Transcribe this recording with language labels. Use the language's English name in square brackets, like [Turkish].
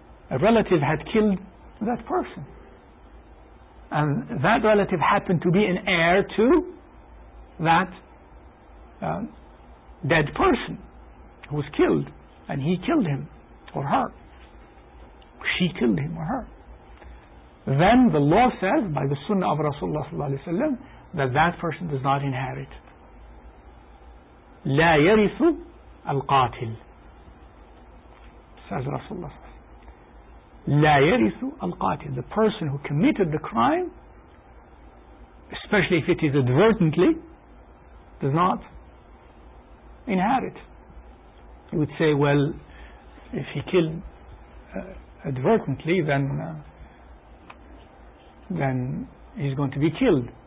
[English] A relative had killed that person. And that relative happened to be an heir to that dead person who was killed, and he killed him or her. She killed him or her. Then the law says, by the sunnah of Rasulullah ﷺ, that person does not inherit. [Arabic] لا يرث القاتل. [English] Says Rasulullah, [Arabic] لا يرث القاتل. [English] The person who committed the crime, especially if it is inadvertently, does not inherit. You would say, well, if he killed advertently, then he's going to be killed.